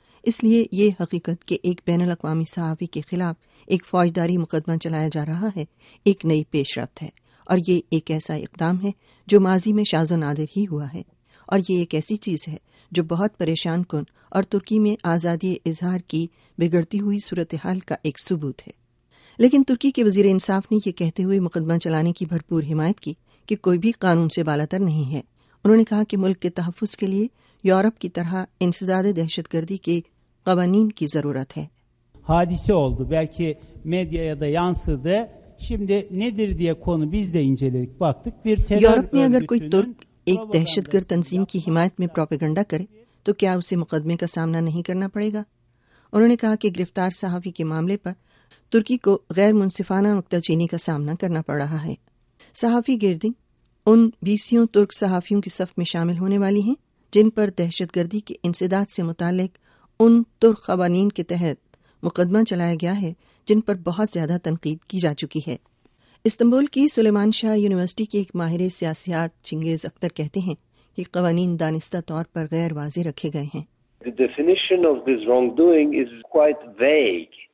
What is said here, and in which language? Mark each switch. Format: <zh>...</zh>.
<ur>اس لیے یہ حقیقت کہ ایک بین الاقوامی صحافی کے خلاف ایک فوجداری مقدمہ چلایا جا رہا ہے ایک نئی پیش رفت ہے، اور یہ ایک ایسا اقدام ہے جو ماضی میں شاذ و نادر ہی ہوا ہے، اور یہ ایک ایسی چیز ہے جو بہت پریشان کن اور ترکی میں آزادی اظہار کی بگڑتی ہوئی صورتحال کا ایک ثبوت ہے۔ لیکن ترکی کے وزیر انصاف نے یہ کہتے ہوئے مقدمہ چلانے کی بھرپور حمایت کی کہ کوئی بھی قانون سے بالاتر نہیں ہے۔ انہوں نے کہا کہ ملک کے تحفظ کے لیے یورپ کی طرح انسداد دہشت گردی کے قوانین کی ضرورت ہے۔</ur> <tr>حادثے oldu belki medyaya da yansıdı şimdi nedir diye konu biz de inceledik baktık bir terör</tr> <ur>Europe میں اگر کوئی ترک ایک دہشت گرد تنظیم کی حمایت میں پروپیگنڈا کرے تو کیا اسے مقدمے کا سامنا نہیں کرنا پڑے گا؟ انہوں نے کہا کہ گرفتار صحافی کے معاملے پر ترکی کو غیر منصفانہ نکتہ چینی کا سامنا کرنا پڑ رہا ہے۔ صحافی گردنگ ان 20 ترک صحافیوں کی صف میں شامل ہونے والی ہیں جن پر دہشت گردی کے انسداد سے متعلق ان ترک قوانین کے تحت مقدمہ چلایا گیا ہے جن پر بہت زیادہ تنقید کی جا چکی ہے۔ استنبول کی سلیمان شاہ یونیورسٹی کے ایک ماہر سیاسیات چنگیز اختر کہتے ہیں کہ قوانین دانستہ طور پر غیر واضح رکھے گئے ہیں۔</ur> <en>The definition of this wrongdoing is quite vague.</en>